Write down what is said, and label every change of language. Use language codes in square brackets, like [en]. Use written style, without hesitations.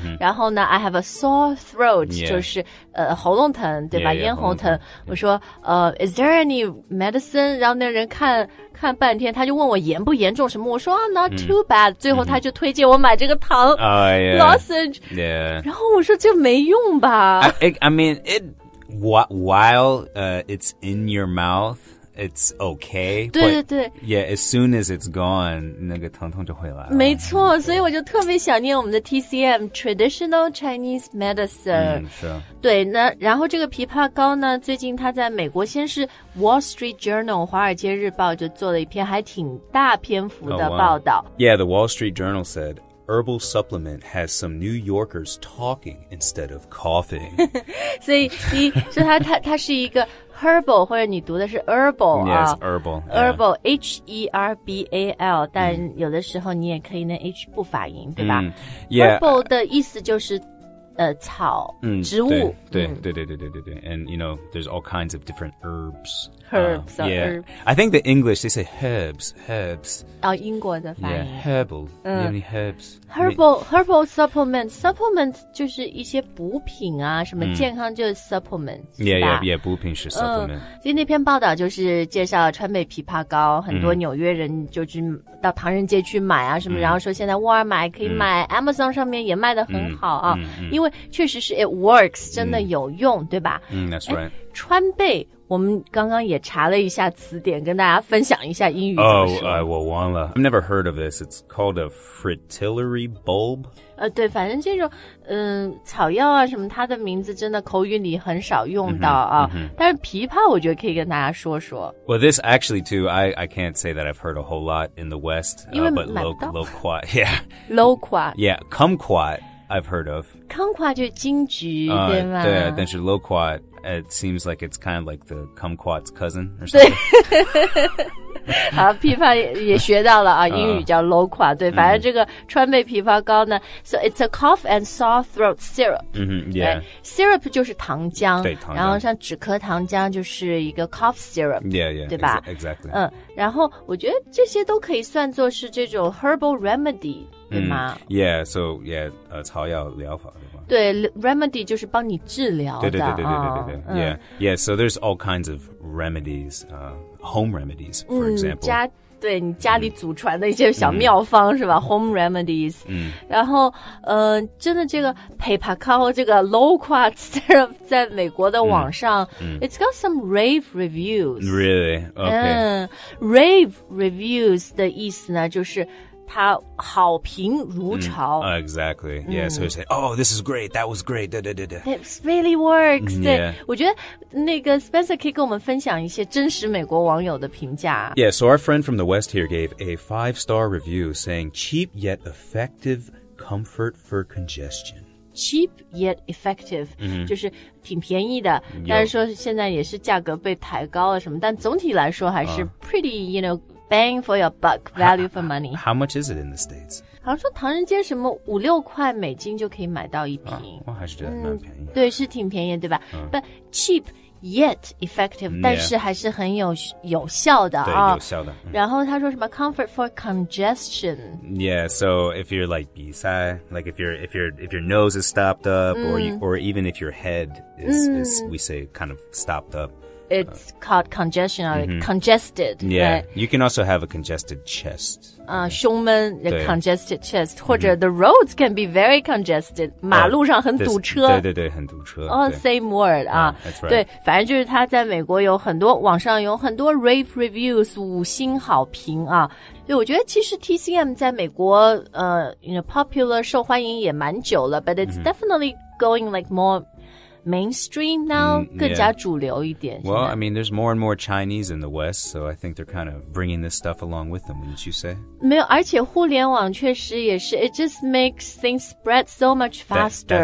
[zh] 然后呢 [en] I have a sore throat, [zh] 就是喉咙疼对吧咽喉疼。我说 [en] is there any medicine? [zh] 然后那人看半天他就问我严不严重什么我说 [en] not too bad, [zh] 最后他就推荐我买这个糖 lozenge, 然后我说这没用吧。 [en] I mean, while it's in your mouth, it's okay. [zh] 对对对。 [en] Yeah, as soon as it's gone, [zh] 那个疼痛就回来了。没错，所以我就特别想念我们的 TCM, Traditional Chinese Medicine. 嗯，是。对，那然后这个枇杷膏呢，最近它在美国先是 Wall Street Journal, 华尔街日报就做了一篇还挺大篇幅的报道。 [en] Oh, wow. Yeah, the Wall Street Journal said, Herbal supplement has some New Yorkers talking instead of coughing. [zh] 所以你说它是一个 herbal, 或者你读的是 herbal. [en] Yes, herbal. Herbal,、yeah. [zh] H-E-R-B-A-L, 但有的时候你也可以那 H 不发音,对吧、 [en] yeah. [zh] Herbal 的意思就是草、植物。对。 [en] And you know, there's all kinds of different herbs. Herbs,、 yeah. herbs. I think the English, they say herbs. [zh] 哦、oh, 英国的发音。 [en] Yeah, herbal.、you mean herbs? Herbal supplement. [zh] Supplement 就是一些补品啊什么健康就是 supplement.、 Yeah, 补品是 supplement.、所以那篇报道就是介绍川贝枇杷膏很多纽约人就去到唐人街去买啊什么、然后说现在沃尔玛可以买、Amazon 上面也卖得很好啊。因为确实是 [en] it works, [zh] 真的有用、对吧、 [en] that's right. [zh] 川贝我们刚刚也查了一下词典跟大家分享一下英语怎么说。我忘了。 [en] I've never heard of this. It's called a fritillary bulb. [zh] 对反正这种草药啊什么它的名字真的口语里很少用到啊。但是枇杷我觉得可以跟大家说说。 [en] Well, this actually too, I can't say that I've heard a whole lot in the West. [zh] 因为买不到。 [en] Loquat, yeah. Loquat. Yeah, kumquat. I've heard of. [zh] Kumquat 就是金桔对吗对但是 [en] loquat, it seems like it's kind of like the kumquat's cousin or something. [zh] 好枇杷也学到了啊英语叫 loquat, 对反正这个川贝枇杷膏呢 [en] so it's a cough and sore throat syrup. [zh] Syrup 就是糖浆对糖浆然后像止咳糖浆就是一个 cough syrup. [en] Yeah. [zh] 对吧 [en] exactly. [zh] 然后我觉得这些都可以算作是这种 herbal remedy. Yeah, so, yeah, 草药疗法对吧对 remedy 就是帮你治疗的 [en] 对、yeah, so there's all kinds of remedies, home remedies, for example. [zh] 对你家里祖传的一些小妙方是吧 home remedies. 然后真的这个枇杷膏这个 loquat syrup 在美国的网上 [en] it's got some rave reviews. Really? Okay. [zh] Rave reviews 的意思呢就是它好评如潮、 [en] exactly yeah so you say oh this is great that was great it really works、 yeah. [zh] 对我觉得那个 Spencer 可以跟我们分享一些真实美国网友的评价 [en] yeah so our friend from the west here gave a 5-star review saying cheap yet effective comfort for congestion cheap yet effective、 [zh] 就是挺便宜的但是说现在也是价格被抬高了什么但总体来说还是 [en] pretty you knowBang for your buck, value for money. How much is it in the States? [zh] 好像说唐人街什么五六块美金就可以买到一瓶。我还是觉得蛮便宜、对是挺便宜对吧、 [en] But cheap yet effective,、 [zh] 但是还是很有效的。对、有效的。然后他说什么 comfort for congestion. [en] Yeah, so if you're like [zh] 比赛 [en] like if your nose is stopped up,、or even if your head is, we say, kind of stopped up. It's called congestion or congested. Yeah,、 right? you can also have a congested chest. [zh] 胸闷 a congested chest. 或者 [en] the roads can be very congested. [zh] 马路上很堵车。对对对，很堵车。 [en] Oh, same word. That's right. [zh] 对，反正就是他在美国有很多网上有很多 rave reviews, 五星好评啊。对，我觉得其实 TCM 在美国popular 受欢迎也蛮久了 [en] but it's definitely going like more mainstream now, [zh] 更加主流一点。 [en] Well, I mean, there's more and more Chinese in the West, so I think they're kind of bringing this stuff along with them, wouldn't you say? [zh] 没有，而且互联网确实也是 [en] it just makes things spread so much faster.